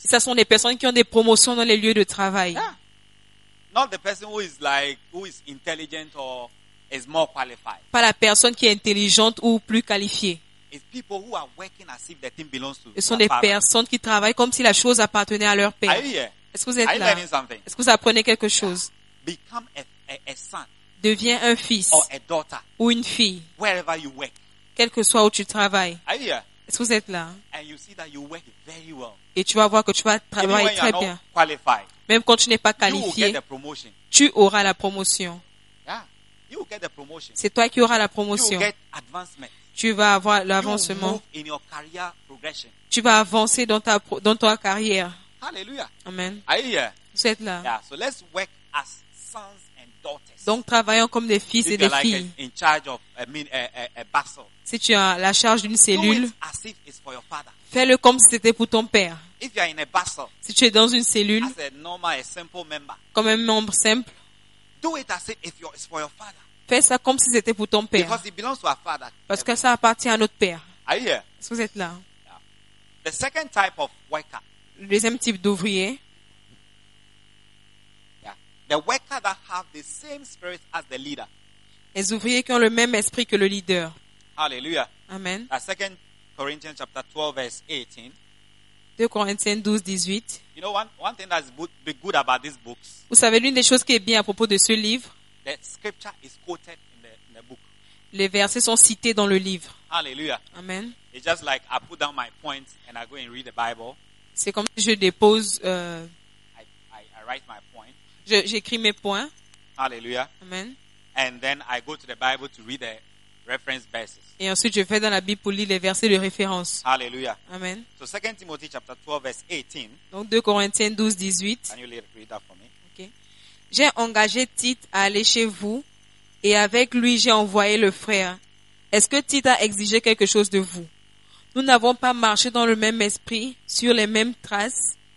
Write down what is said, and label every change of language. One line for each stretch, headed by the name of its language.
French: Ce sont les personnes qui ont des promotions dans les lieux de travail.
English: Yeah. Not the person who is like who is intelligent or is more qualified.
French: Pas la personne qui est intelligente ou plus qualifiée.
English: It's people who are working as if the thing belongs to their father.
French: Ce sont des personnes qui travaillent comme si la chose appartenait à leur père.
English: Are you here?
French: Est-ce que vous êtes
English: are
French: là?
English: You learning something?
French: Est-ce que vous apprenez quelque chose?
English: Yeah. Become a son.
French: Deviens un fils
English: or a daughter,
French: ou une fille,
English: wherever you work.
French: Quel que soit où tu travailles.
English: Are you here?
French: Est-ce que vous êtes là?
English: And you see that you work very well.
French: Et tu vas voir que tu vas travailler
English: even when
French: très
English: you're
French: bien.
English: Not
French: même quand tu n'es pas qualifié,
English: you will get the promotion.
French: Tu auras la promotion.
English: Yeah. You will get the promotion.
French: C'est toi qui auras la promotion.
English: You will get advancement.
French: Tu vas avoir l'avancement.
English: You will move in your career progression.
French: Tu vas avancer dans ta carrière.
English: Hallelujah. Amen. Are you here?
French: Vous êtes là.
English: Yeah. So let's work as sons.
French: Donc, travaillons comme des fils
English: if
French: et des
English: like
French: filles.
English: In charge of a muscle,
French: si tu as la charge d'une cellule,
English: as if it's for your father.
French: Fais-le comme si c'était pour ton père.
English: If you are in a muscle,
French: si tu es dans une cellule,
English: as a normal, a simple member,
French: comme un membre simple,
English: do it as if it's for your father.
French: Fais ça comme si c'était pour ton père.
English: Because it belongs to our father.
French: Parce que ça appartient à notre père.
English: Are you here?
French: Est-ce que vous êtes là?
English: Yeah. The second type of worker.
French: Le deuxième type d'ouvrier.
English: The workers that have the same spirit as the leader.
French: Les ouvriers qui ont le même esprit que le leader.
English: Hallelujah. Amen. At 2 Corinthians chapter 12 verse 18.
French: 2 Corinthiens 12, 18.
English: You know one thing that's good about these books.
French: Vous savez l'une des choses qui est bien à propos de ce livre.
English: The scripture is quoted in the book.
French: Les versets sont cités dans le livre.
English: Hallelujah. Amen. It's just like I put down my points and I go and read the Bible.
French: C'est comme si je dépose.
English: I write my point.
French: J'écris mes points. Alléluia. Amen.
English: And then I go to the Bible to read the reference verses.
French: Et ensuite je vais dans la Bible pour lire les versets de référence. Alléluia. Amen.
English: So 2 Timothy chapter 12 verse 18.
French: Donc 2 Corinthiens 12 18.
English: Can you read that for me? Okay.
French: J'ai engagé Tite à aller chez vous et avec lui j'ai envoyé le frère. Est-ce que Tite a exigé quelque chose de vous? Nous n'avons pas marché dans le même esprit, sur les mêmes traces.